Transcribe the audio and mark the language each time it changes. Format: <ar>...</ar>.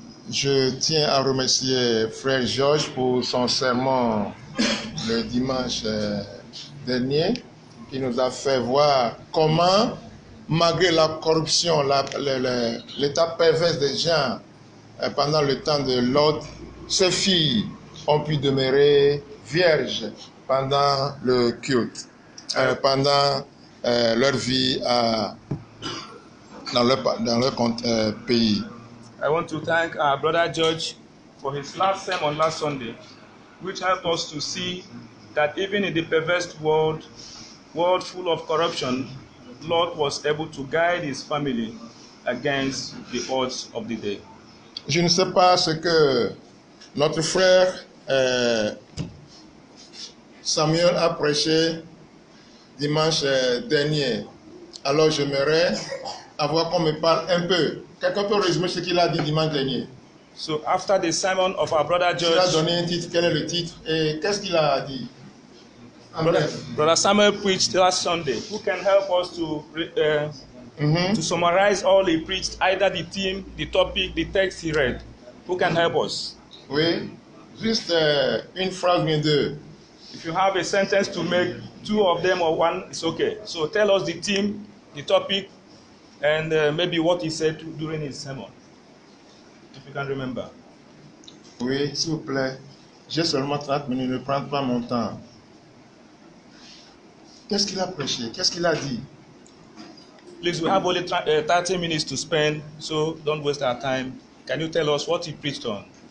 <fr>Je tiens à remercier Frère Georges pour son sermon le dimanche dernier, qui nous a fait voir comment, malgré la corruption, l'état pervers des gens pendant le temps de Lot, ses filles ont pu demeurer vierges pendant le culte, pendant leur vie dans leur pays.</fr> <en>I want to thank our brother George for his last sermon last Sunday, which helped us to see that even in the perverse world full of corruption, Lot was able to guide his family against the odds of the day.</en> <fr>Je ne sais pas ce que notre frère Samuel a prêché dimanche dernier. Alors j'aimerais avoir qu'on me parle un peu. Quelqu'un peut résumer ce qu'il a dit dimanche dernier.</fr> <en>So after the sermon of our brother George,</en> <fr>il a donné un titre. Quel est le titre et qu'est-ce qu'il a dit?</fr> <en>Brother Samuel preached last Sunday. Who can help us to summarize all he preached, either the theme, the topic, the text he read? Who can help us?</en> <fr>Oui, juste une phrase ou deux.</fr> <en>If you have a sentence to make, two of them or one, it's okay. So tell us the theme, the topic, and maybe what he said during his sermon, if you can remember.</en> <fr>Oui, s'il vous plaît. J'ai seulement 30 minutes, ne prends pas mon temps. Qu'est-ce qu'il a prêché? Qu'est-ce qu'il a dit?</fr> <en>Please, we have only 30 minutes to spend, so don't waste our time. Can you tell us what he preached on?</en>